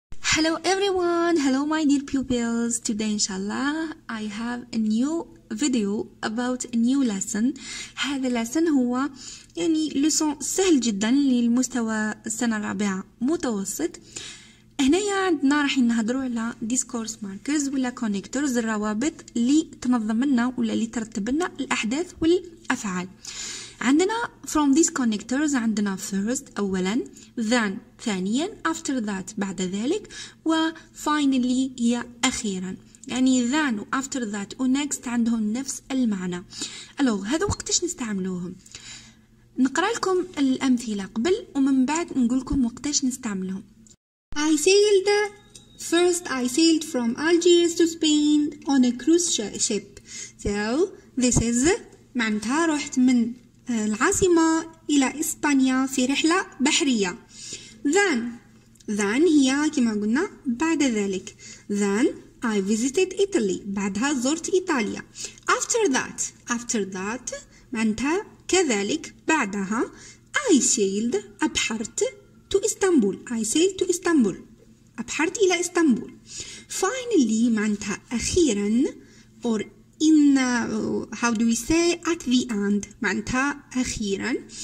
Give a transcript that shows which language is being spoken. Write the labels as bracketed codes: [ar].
[en] Hello everyone, hello my dear pupils. Today inshallah I have a new video about a new lesson. [ar] هذا lesson هو يعني lesson سهل جدا للمستوى السنة الرابعة متوسط. هنا عندنا راح نهضروا على discourse markers ولا connectors, الروابط اللي تنظم لنا ولا اللي ترتب لنا الأحداث والأفعال. عندنا [en] from these connectors [ar] عندنا first أولا, then ثانيا, [en] after that [ar] بعد ذلك, و finally هي أخيرا. يعني then و [en] after that [ar] و next عندهم نفس المعنى. ألو هذا وقتش نستعملوهم؟ نقرأ لكم الأمثلة قبل ومن بعد نقول لكم وقتش نستعملهم. [en] I sailed first I sailed from Algiers to Spain on a cruise ship. So this is [ar] معناتها رحت من العاصمة إلى إسبانيا في رحلة بحرية. Then هي كما قلنا بعد ذلك. [en] Then I visited Italy, [ar] بعدها زرت إيطاليا. After that معناتها كذلك بعدها. [en] I sailed أبحرت to Istanbul. I sailed to Istanbul, [ar] أبحرت إلى إسطنبول. [en] Finally [ar] معناتها أخيرا, [en] or in how do we say at the end, معناتها أخيرا.